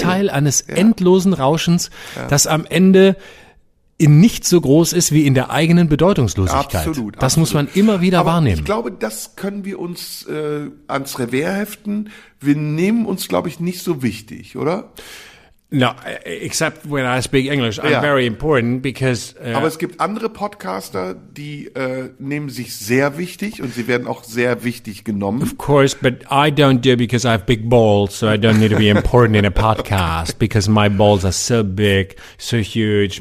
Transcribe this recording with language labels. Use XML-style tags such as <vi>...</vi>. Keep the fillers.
<de>Teil eines endlosen Rauschens, das am Ende in nicht so groß ist wie in der eigenen Bedeutungslosigkeit. Absolut, Das muss man absolut. immer wieder Aber wahrnehmen. Ich glaube, das können wir uns äh, ans Revers heften. Wir nehmen uns, glaube ich, nicht so wichtig, oder?</de> <en>no, except when I speak English, I'm</en> <de>Ja.</de> <en>very important because äh,</en> <de>Aber es gibt andere Podcaster, die äh, nehmen sich sehr wichtig und sie werden auch sehr wichtig genommen.</de> <en>of course, but I don't do because I have big balls, so I don't need to be important in a podcast because my balls are so big, so huge.</en>